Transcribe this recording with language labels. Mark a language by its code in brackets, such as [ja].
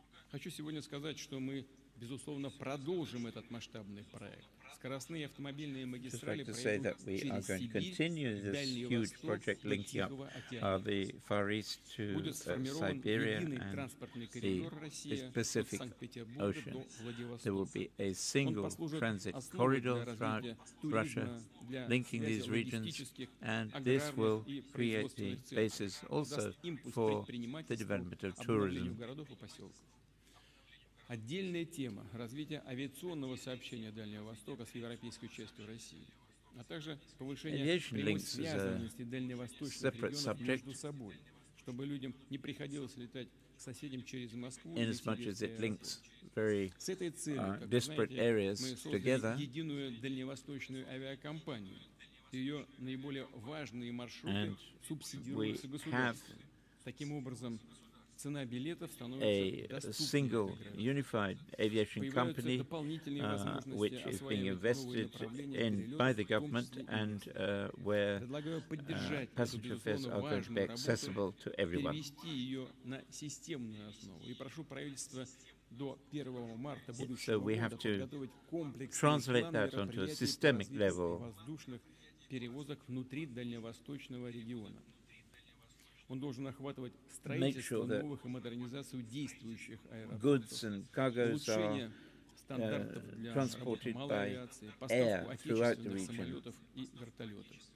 [ru] Хочу сегодня сказать, что мы безусловно продолжим этот масштабный проект. Скоростные автомобильные магистрали пройдут через Сибирь, Дальний Восток, Тихий океан. Будет сформирован единый транспортный коридор России от Санкт-Петербурга до Владивостока. [en] There will be a single transit corridor throughout Russia, linking these regions, and this will create the basis also for the development of tourism. [ru] Отдельная тема – развитие авиационного сообщения Дальнего Востока с европейской частью России, а также повышение связанности дальневосточных регионов между собой, чтобы людям не приходилось летать к соседям через Москву. [en] Inasmuch as it links very disparate areas together, [ru] мы создали единую дальневосточную авиакомпанию. Ее наиболее важные маршруты субсидируются государством. Таким образом, цена билетов становится доступной. [en] A single unified aviation company, which is being invested in by the government and where passenger fares are going to be accessible to everyone. [ru] Перевести ее на системную основу. И прошу правительства до 1 марта будущего года подготовить комплекс планов воздушных перевозок внутри дальневосточного региона. Он должен охватывать строительство новых и модернизацию действующих аэропортов, улучшение стандартов для работы малой авиации, поставку отечественных самолетов и вертолетов.